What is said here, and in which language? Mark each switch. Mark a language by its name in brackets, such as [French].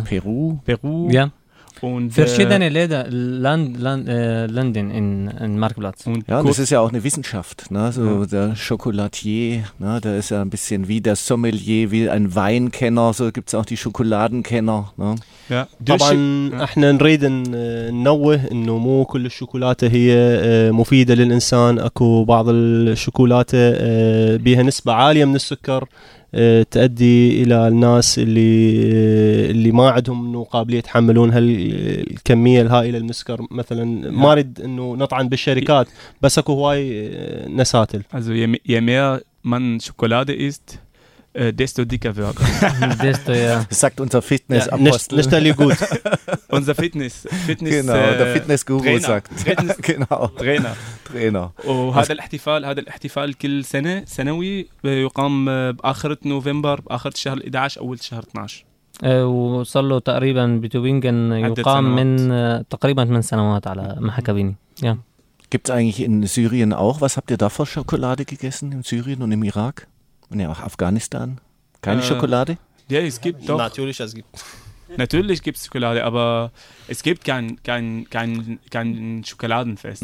[German] Peru. Ja. Und verschiedene Länder in Marktplatz. Und ja, das ist ja auch eine Wissenschaft, ne? So ja. Der Chocolatier, ne? Der ist ja ein bisschen wie der Sommelier, wie ein Weinkenner, so gibt es auch die Schokoladenkenner. Ne? Ja. [Arabic] احنا نريد ننوه انه مو كل الشوكولاته هي مفيده للانسان، اكو بعض الشوكولاته بها نسبه عاليه من السكر تؤدي الى الناس اللي ما عندهم انه قابليه يتحملون هالكميه الهائله من السكر مثلا. ما اريد انه نطعن بالشركات بس اكو هواي نساتل. [German] Also je mehr man Schokolade isst, desto dicker wird. Desto, ja. Sagt unser Fitness-Apostel. Ja, nicht alle gut. Unser Fitness. Genau, der Fitness-Guru sagt. Genau. Trainer. [Arabic] وهذا الاحتفال, هذا الاحتفال كل سنة, سنوي, يقام بآخرة نوفمبر, بآخرة شهر 11, أول شهر 12. وصار له تقريبا بتوبينجن يقام من تقريبا 8 سنوات على محكبيني. [German] Gibt es eigentlich in Syrien auch? Was habt ihr da für Schokolade gegessen? In Syrien und im Irak? Und ja, auch Afghanistan? Keine Schokolade? Ja, es gibt doch. Natürlich, es gibt. Natürlich gibt es Schokolade, aber es gibt kein Schokoladenfest.